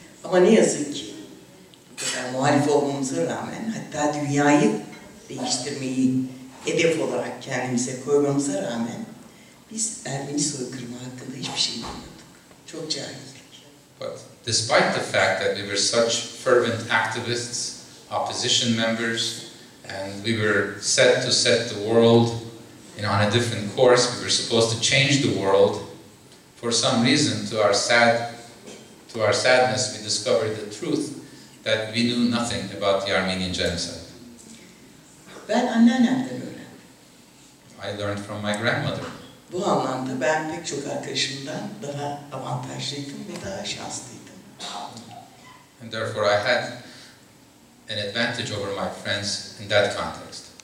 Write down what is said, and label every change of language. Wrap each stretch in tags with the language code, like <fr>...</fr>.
<tr>Ama ne yazık ki, muhalif olmamıza rağmen, hatta dünyayı değiştirmeyi hedef olarak kendimize koymamıza rağmen, biz Ermeni soykırımı hakkında hiçbir şey bilmiyorduk. Çok cahildik.</tr> <en>But despite the fact that we were such fervent activists, opposition members, and we were set to set the world on a different course, we were supposed to change the world for for some reason, to our sadness, we discovered the truth that we knew nothing about the Armenian genocide.</en> <tr>Ben annemden öğrendim.</tr> <en>I learned from my grandmother.</en> <tr>Bu anlamda ben pek çok arkadaşımdan daha avantajlıydım ve daha şanslıydım.</tr> <en>And therefore I had an advantage over my friends in that context.</en>